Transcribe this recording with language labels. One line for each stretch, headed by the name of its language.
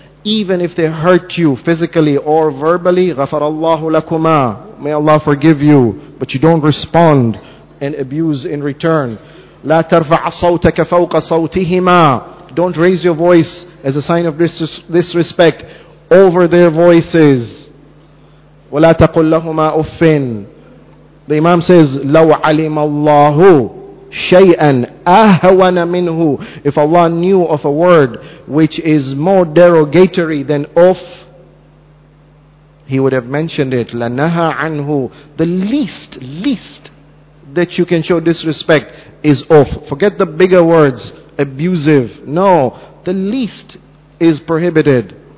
English: Even if they hurt you physically or verbally,
Arabic: غَفَرَ اللَّهُ لَكُمَا.
English: May Allah forgive you, but you don't respond and abuse in return.
Arabic: لَا تَرْفَعَ صَوْتَكَ فَوْقَ صَوْتِهِمَا.
English: Don't raise your voice as a sign of disrespect over their voices.
Arabic: وَلَا تَقُلْ لَهُمَا أُفٍّ.
English: The Imam says,
Arabic: لَوْ عَلِمَ اللَّهُ شَيْئًا أَهْوَنَ مِنْهُ.
English: If Allah knew of a word which is more derogatory than "uff," He would have mentioned it.
Arabic: لَنَهَا عَنْهُ.
English: The least that you can show disrespect is "uff." Forget the bigger words, abusive. No, the least is prohibited.